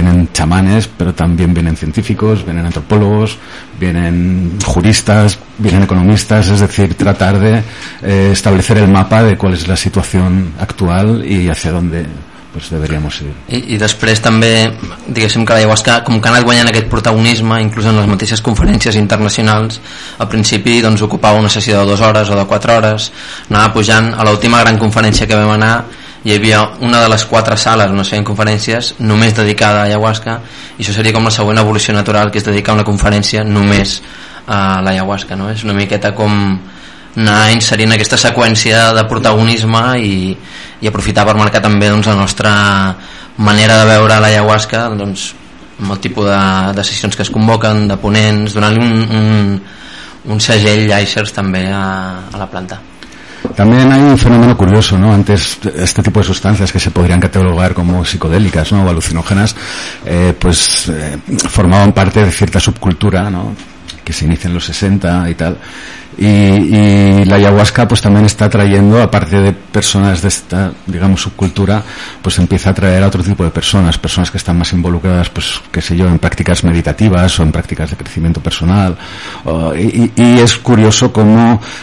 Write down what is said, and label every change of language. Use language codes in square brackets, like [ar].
[es] Vienen chamanes, pero también vienen científicos, vienen antropólogos, vienen juristas, vienen economistas, es decir, tratar de establecer el mapa de cuál es la situación actual y hacia dónde pues deberíamos ir. [ca] I després també, diguéssim, que la ayahuasca, com que ha anat guanyant aquest protagonisme, inclús en les mateixes conferències internacionals, al principi doncs ocupava una sessió de 2 hores o de 4 hores, anava pujant. A l'última gran conferència que vam anar, hi havia una de les 4 sales, no sé, en conferències, només dedicada a ayahuasca, i això seria com la següent evolució natural, que és dedicar una conferència només a la ayahuasca, no? És una miqueta com anar inserint aquesta seqüència de protagonisme i aprofitar per marcar també doncs la nostra manera de veure la ayahuasca, doncs amb el tipus de sessions que es convoquen, de ponents, donant-li un segell AIFERS també a la planta. [es] También hay un fenómeno curioso, ¿no? Antes este tipo de sustancias que se podrían catalogar como psicodélicas, ¿no?, o alucinógenas, pues formaban parte de cierta subcultura, ¿no?, que se inicia en los 60 y tal. Y la ayahuasca pues también está trayendo, aparte de personas de esta, digamos, subcultura, pues empieza a traer a otro tipo de personas, personas que están más involucradas, pues qué sé yo, en prácticas meditativas o en prácticas de crecimiento personal. Y es curioso cómo